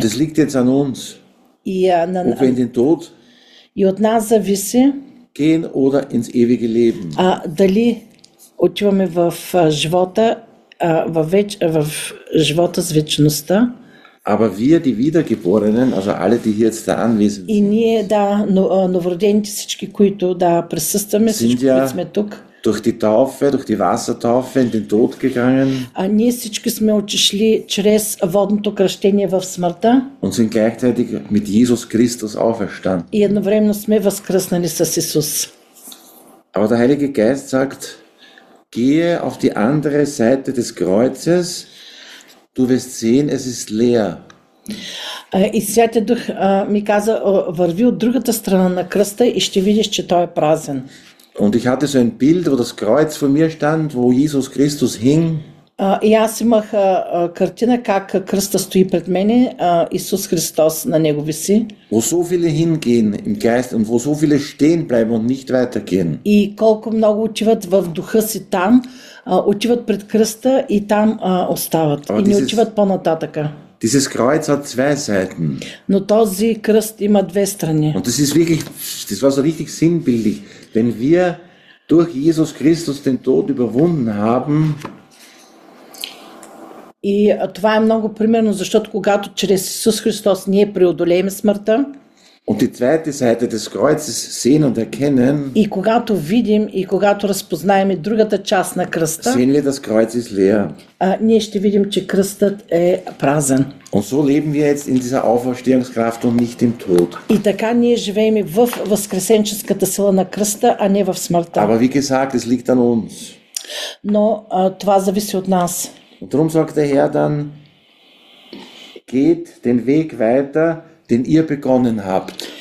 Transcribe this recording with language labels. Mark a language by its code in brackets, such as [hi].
[de] es liegt jetzt an uns, ob wir in den Tod [bg] И от нас зависи [de] gehen oder ins ewige Leben. [bg] дали отиваме в живота, в живота с вечността. [de] Aber wir, die Wiedergeborenen, also alle, die hier jetzt da anwesend [bg] И [de] sind, [bg] ние, да, новородените всички, които да присъстваме, всички, [de] sind [bg] които сме [de] ja [bg] тук, [de] durch die Taufe, durch die Wassertaufe in den Tod gegangen [bg] ние всички сме отишли чрез водното кръщение в смъртта [de] und sind gleichzeitig mit Jesus Christus [bg] и [de] auferstanden. [bg] едновременно сме възкръснали с Исус. [de] Aber der Heilige Geist sagt, gehe auf die andere Seite des Kreuzes, du wirst sehen, es ist leer. [bg] И Святия Дух ми каза, върви от другата страна на кръста и ще видиш, че той е празен. [de] Und ich hatte so ein Bild, wo das Kreuz vor mir stand, wo Jesus Christus hing. [bg] И аз имах картина как кръста стои пред мене, Исус Христос на него виси. [de] Wo so viele hingehen im Geist und wo so viele stehen bleiben und nicht [bg] И [de] weitergehen. [bg] колко много отиват в духа си там, отиват пред кръста и там остават и [de] Aber [bg] не отиват по-нататъка. [de] dieses Kreuz hat zwei Seiten. [bg] Но този кръст има две страни. [de] Und das ist wirklich, das war so richtig sinnbildlich. Wenn wir durch Jesus Christus den Tod überwunden haben, [bg] И това е много примерно, защото когато чрез Исус Христос ние преодолеем смъртта, [de] Und die zweite Seite des Kreuzes sehen und [bg] и [de] erkennen, [bg] когато видим и когато разпознаем и другата част на кръста, [de] sehen wir, das Kreuz ist leer. [bg] ние ще видим, че кръстът е празен. [de] Und so leben wir jetzt in dieser Auferstehungskraft und nicht im [bg] И [de] Tod. [bg] така ние живеем и в възкресенческата сила на кръста, а не в смъртта. [de] Aber wie gesagt, es liegt an uns. [bg] Но това зависи от нас. [de] Und darum sagt der Herr dann, geht den Weg weiter, den ihr begonnen habt.